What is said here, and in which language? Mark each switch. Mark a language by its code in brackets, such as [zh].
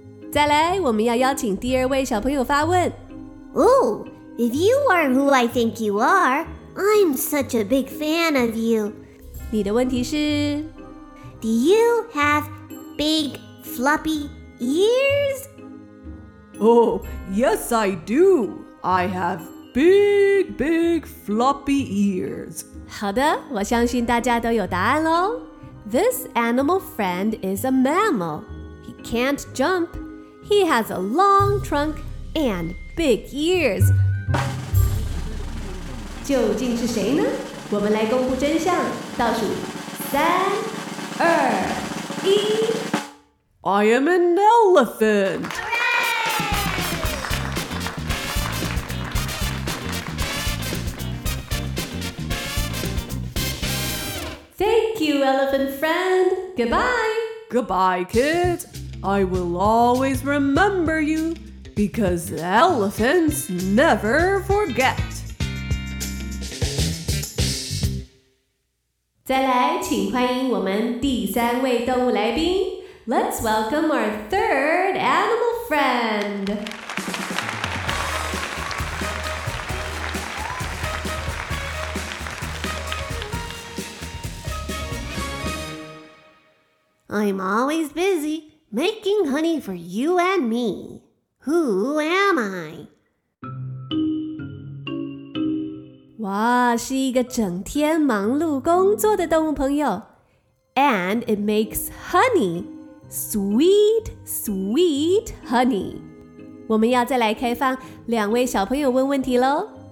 [zh] 再来，我们要邀请第二位小朋友发问。 [en] Oh, if you are who I think you are, I'm such a big fan of you. [zh] 你的问题是 [en] ，Do you have big? Floppy ears? Oh, yes, I do. I have big, big floppy ears. [zh] 好的，我相信大家都有答案咯。 [en] This animal friend is a mammal. He can't jump. He has a long trunk and big ears. [zh] 究竟是谁呢？我们来公布真相。倒数三、二、一。 [en] I am an elephant! Hooray! Thank you, elephant friend! Goodbye! Goodbye, kids! I will always remember you, because elephants never forget! [zh] 再来，请欢迎我们第三位动物来宾。 [en] Let's welcome our third animal friend. I'm always busy making honey for you and me. Who am I? [zh] 哇，是一个整天忙碌工作的动物朋友。 [en] And it makes honey. Sweet, sweet honey. [zh] 我们要再来开放两位小朋友问问题咯。